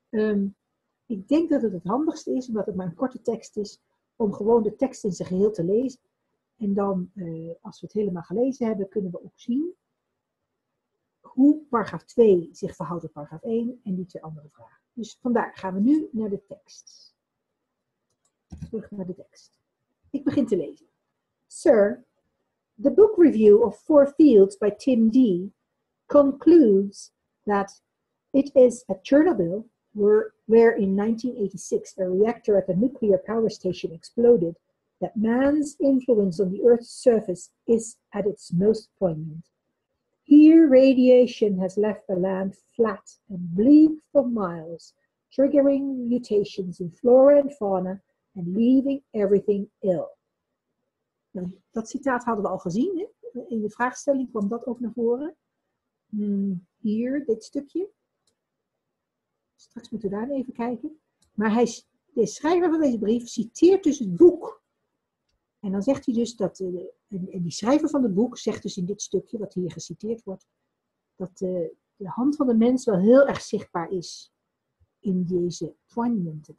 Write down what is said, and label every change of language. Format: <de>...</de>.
<nl>Nou, ik denk dat het handigste is, omdat het maar een korte tekst is, om gewoon de tekst in zijn geheel te lezen. En dan, als we het helemaal gelezen hebben, kunnen we ook zien hoe paragraaf 2 zich verhoudt tot paragraaf 1 en die twee andere vragen. Dus vandaar gaan we nu naar de tekst. Terug naar de tekst. Ik begin te lezen.</nl> <en>Sir, the book review of Four Fields by Tim D. concludes that it is at Chernobyl, where in 1986 a reactor at the nuclear power station exploded, that man's influence on the Earth's surface is at its most poignant. Here radiation has left the land flat and bleak for miles, triggering mutations in flora and fauna and leaving everything ill.</en> <nl>Nou, dat citaat hadden we al gezien. Hè? In de vraagstelling kwam dat ook naar voren. Hier, dit stukje. Straks moeten we daar even kijken. Maar hij, de schrijver van deze brief citeert dus het boek. En dan zegt hij dus dat... En die schrijver van het boek zegt dus in dit stukje, wat hier geciteerd wordt, dat de hand van de mens wel heel erg zichtbaar is in deze poignant.</nl>